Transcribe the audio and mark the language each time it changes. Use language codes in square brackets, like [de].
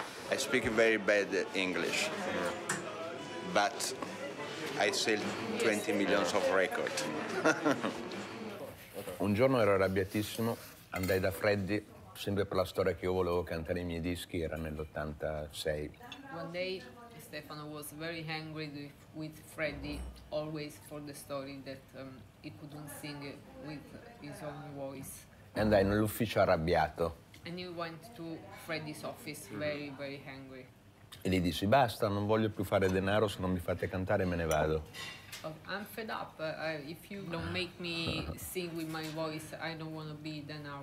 [en] I speak very bad English, but I sell 20 million of records. [it] Un giorno ero arrabbiatissimo, andai da Freddy, sempre per la storia che io volevo cantare i miei dischi, era nell'86. [en] One day Stefano was very angry with Freddy, always for the story that he couldn't sing with his own voice. [it] E andai nell'ufficio arrabbiato. [en] And he went to Freddy's office very, very angry. [it] E gli dissi, basta, non voglio più fare denaro, se non mi fate cantare me ne vado. [en] I'm fed up. If you don't make me sing with my voice, I don't want to be denaro.